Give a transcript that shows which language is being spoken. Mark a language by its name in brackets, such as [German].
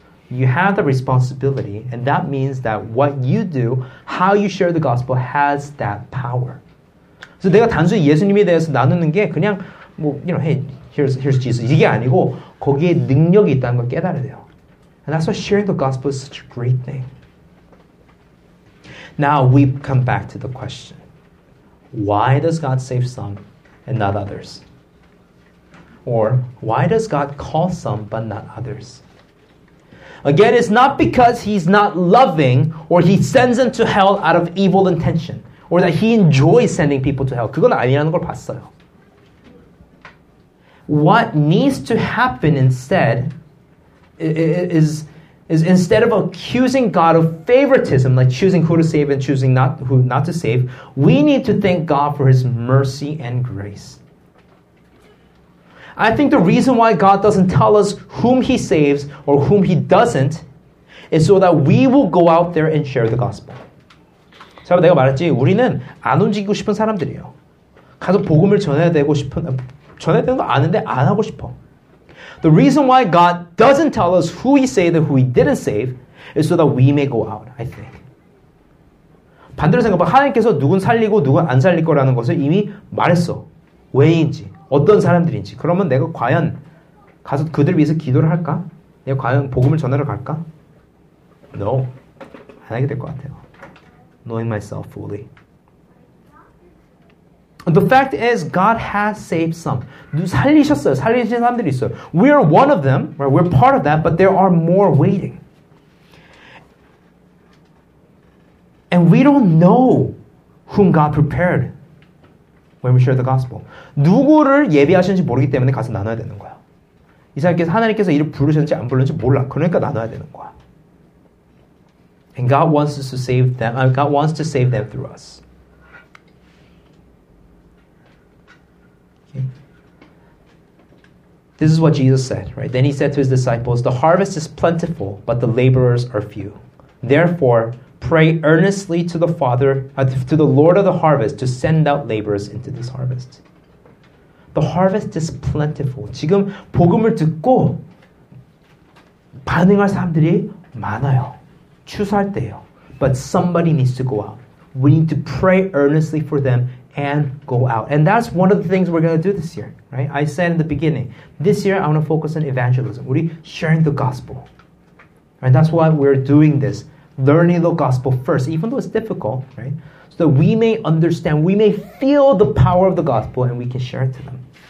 [English] You have the responsibility, and that means that what you do, how you share the gospel, has that power. [Korean] So 내가 단순히 예수님에 대해서 나누는 게 그냥 뭐, [English] you know, hey, here's Jesus. [Korean] 이게 아니고 거기에 능력이 있다는 걸 깨달아야 돼요. [English] And that's why sharing the gospel is such a great thing. Now we come back to the question. Why does God save some and not others? Or why does God call some but not others? Again, it's not because he's not loving or he sends them to hell out of evil intention or that he enjoys sending people to hell. [Korean] 그건 아니라는 걸 봤어요. [English] What needs to happen instead is instead of accusing God of favoritism, like choosing who to save and choosing not who not to save, we need to thank God for his mercy and grace. I think the reason why God doesn't tell us whom he saves or whom he doesn't is so that we will go out there and share the gospel. [Korean] 자, 내가 말했지. 우리는 안 움직이고 싶은 사람들이에요. 가서 복음을 전해야 되고 싶은 전해야 되는 거 아는데 안 하고 싶어. [English] The reason why God doesn't tell us who he saved and who he didn't save is so that we may go out, I think. [Korean] 반대로 생각해 봐. 하나님께서 누군 살리고 누군 안 살릴 거라는 것을 이미 말했어. 왜인지. 어떤 사람들인지. 그러면 내가 과연 가서 그들을 위해서 기도를 할까? 내가 과연 복음을 전하러 갈까? [English] No. [Korean] 안 하게 될 것 같아요. [English] Knowing myself fully. The fact is God has saved some. [Korean] 살리셨어요. 살리신 사람들이 있어요. [English] We are one of them. Right? We're part of that. But there are more waiting. And we don't know whom God prepared. When we share the gospel. [Korean] 누구를 예비하셨는지 모르기 때문에 가서 나눠야 되는 거야. 이사님께서 하나님께서 이를 부르셨는지 안 부르셨는지 몰라. 그러니까 나눠야 되는 거야. [English] And God wants us to save them. God wants to save them through us. Okay. This is what Jesus said, right? Then he said to his disciples, "The harvest is plentiful, but the laborers are few. Therefore, pray earnestly to the Father, to the Lord of the harvest, to send out laborers into this harvest." The harvest is plentiful. [Korean] 지금 복음을 듣고 반응할 사람들이 많아요. 추수할 때요. [English] But somebody needs to go out. We need to pray earnestly for them and go out. And that's one of the things we're going to do this year, right? I said in the beginning, this year I want to focus on evangelism. [Korean] 우리 [English] sharing the gospel. Right? That's why we're doing this. Learning the gospel first, even though it's difficult, right? So that we may understand, we may feel the power of the gospel and we can share it to them.